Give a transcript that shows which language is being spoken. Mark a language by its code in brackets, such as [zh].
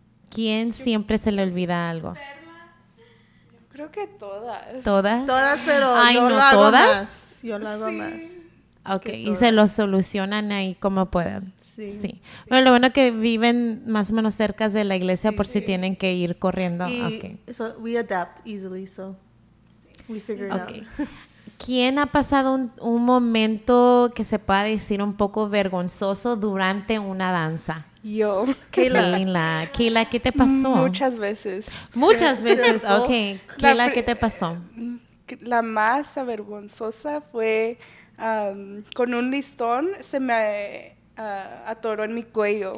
[es] ¿Quién siempre se le olvida algo? Creo que todas. ¿Todas? Todas, pero ay, yo no, lo hago ¿todas? Más. Yo lo hago más. Ok, y se lo solucionan ahí como puedan. Sí. Bueno, lo bueno que viven más o menos cerca de la iglesia si tienen que ir corriendo. Y okay. [en] So we adapt easily, so we figure it out. [es] ¿Quién ha pasado un momento que se pueda decir un poco vergonzoso durante una danza? Yo. Keila. Keila, ¿qué te pasó? Muchas veces. Muchas veces, ok. Keila, ¿qué te pasó? La más vergonzosa fue con un listón, se me atoró en mi cuello.